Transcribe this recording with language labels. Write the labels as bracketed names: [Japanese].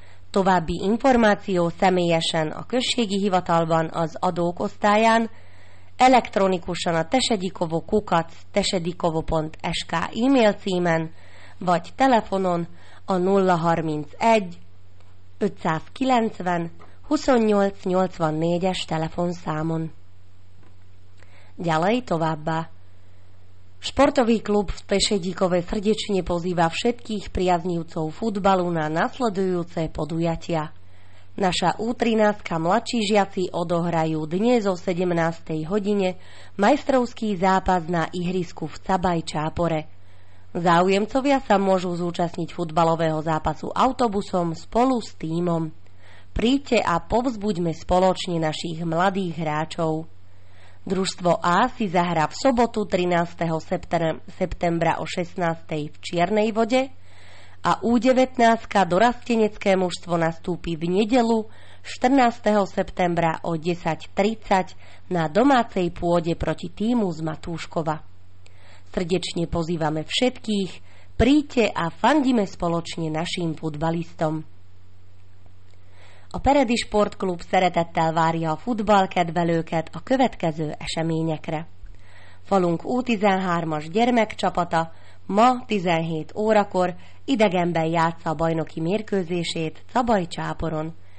[Hungarian] További információ személyesen a községi hivatalban az adók osztályán, elektronikusan a tesedikovo@tesedikovo.sk e-mail címen, vagy telefonon a 031 590 2884-es telefonszámon. [Slovak] Ďalej [Hungarian] továbbá. [Slovak] Športový klub v Tešedíkove srdečne pozýva všetkých priaznivcov futbalu na nasledujúce podujatia. Naša U13-ka mladší žiaci odohrajú dnes o 17. hodine majstrovský zápas na ihrisku v Cabaj Čápore. Záujemcovia sa môžu zúčastniť futbalového zápasu autobusom spolu s tímom. Príďte a povzbuďme spoločne našich mladých hráčov. Družstvo A si zahrá v sobotu 13. septembra o 16. v Čiernej vode a U19-ka dorastenecké mužstvo nastúpi v nedeľu 14. septembra o 10.30 na domácej pôde proti tímu z Matúškova. Srdečne pozývame všetkých, príďte a fandime spoločne našim futbalistom. [Hungarian] A Peredi Sportklub szeretettel várja a futballkedvelőket a következő eseményekre. Falunk U13-as gyermekcsapata ma 17 órakor idegenben játssza a bajnoki mérkőzését Cabaj Csáporon.